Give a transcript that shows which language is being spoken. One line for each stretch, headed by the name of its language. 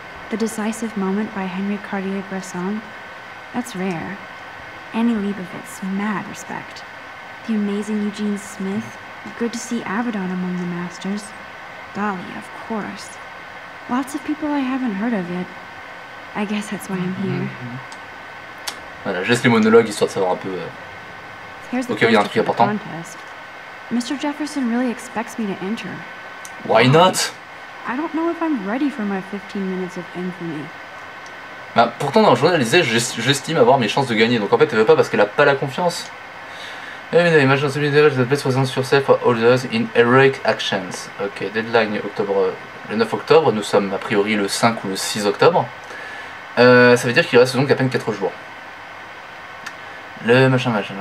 English: The Decisive Moment by Henri Cartier-Bresson? That's rare. Annie Leibovitz, mad respect. The amazing Eugene Smith? Good to see Avedon among the masters. Dali, of course. Lots of people I haven't heard of yet. I guess that's why I'm here.
French: Voilà, juste les monologues, histoire de savoir un peu...
English: Here's the okay, first important. Contest. Mr. Jefferson really expects me to enter. Why not? I don't know if I'm ready for my 15 minutes of infamy.
French: Bah, pourtant, dans le journal, il disait j'estime avoir mes chances de gagner. Donc en fait, elle veut pas parce qu'elle a pas la confiance.
English: Imagine the image that best presents yourself for others in heroic actions.
French: Ok, deadline octobre, le 9 octobre. Nous sommes a priori le 5 ou le 6 octobre. Ça veut dire qu'il reste donc à peine 4 jours. Le machin.